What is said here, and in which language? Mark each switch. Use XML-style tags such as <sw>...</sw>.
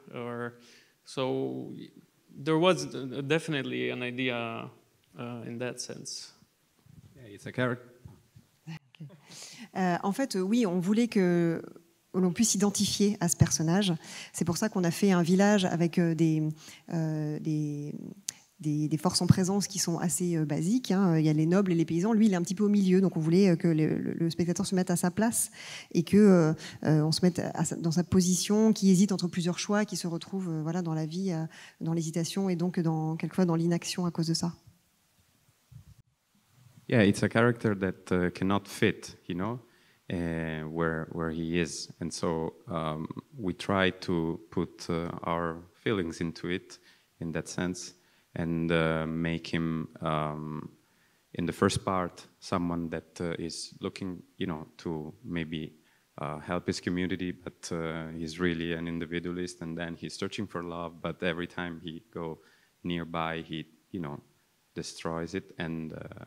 <en>Or so there was definitely an idea in that sense. Yeah, it's a character. Okay.</en> <fr>En fait, oui, on voulait que l'on puisse s'identifier à ce personnage. C'est pour ça qu'on a fait un village avec des forces en présence qui sont assez basiques. Hein. Il y a les nobles et les paysans. Lui, il est un petit peu au milieu, donc on voulait que le spectateur se mette à sa place et que on se mette dans sa position, qui hésite entre plusieurs choix, qui se retrouve dans la vie, dans l'hésitation et donc quelquefois dans l'inaction à cause de ça.</fr> <en>Yeah, it's a character that cannot fit, you know, where he is, and so we try to put our feelings into it in that sense. And make him, in the first part, someone that is looking, you know, to maybe help his community, but he's really an individualist, and then he's searching for love, but every time he go nearby, he, you know, destroys it, and</en>